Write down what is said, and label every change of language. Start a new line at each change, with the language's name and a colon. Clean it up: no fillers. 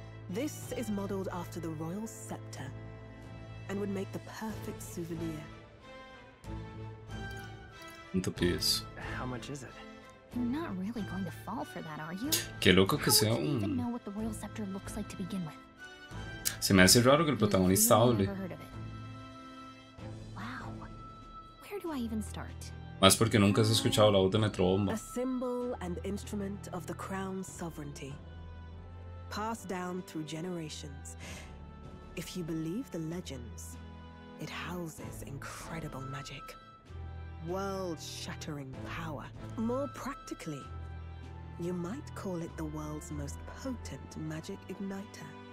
English: This is modeled after the royal scepter. And would make the perfect souvenir. The piece. How much is it? You're not really going to fall for that, are you?
Spanish: Qué loco que sea un.
English: Even know what the royal scepter looks like to begin with.
Spanish: Se me hace raro que el protagonista hable.
English: Wow. Where do I even start?
Spanish: Más porque nunca has escuchado la voz de Metro Bomba.
English: A symbol and instrument of the crown's sovereignty, passed down through generations. If you believe the legends, it houses incredible magic. World-shattering power. More practically, you might call it the world's most potent magic igniter.